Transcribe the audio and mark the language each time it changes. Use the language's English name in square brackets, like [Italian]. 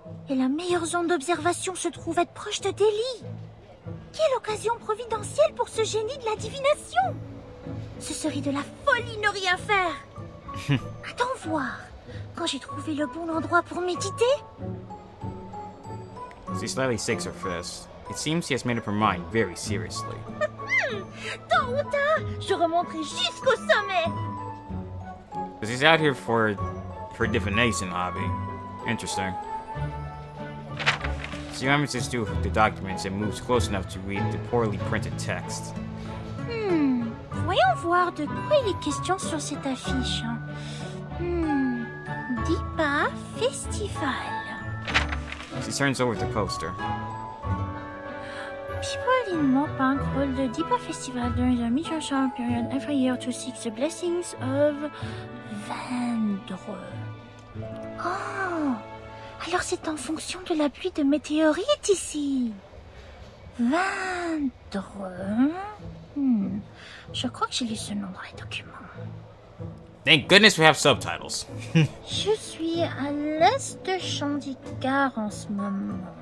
[French] Et la meilleure zone d'observation se trouve être proche de Delhi. Quelle occasion providentielle pour ce génie de la divination! Ce serait de la folie ne rien faire. Attends voir. Quand j'ai trouvé le bon endroit pour méditer... [English] She slightly shakes her fist. It seems she has made up her mind very seriously. [French] Tant ou tard, je remonterai jusqu'au sommet. [English] But she's out here for her divination hobby. Interesting. She rummages through the documents and moves close enough to read the poorly printed text. [French] Voyons voir de quoi il est question sur cette affiche. [English] Dipa Festival. She turns over the poster. People in Mor Pankh hold the Dipa Festival during the Midsummer Shower period every year to seek the blessings of Vendre. Oh! [French] Alors c'est en fonction de la pluie de météorites ici! Vendre? Je crois que j'ai lu ce nom dans les documents. [English] Thank goodness we have subtitles! [French] Je suis à l'est de Chandigarh en ce moment.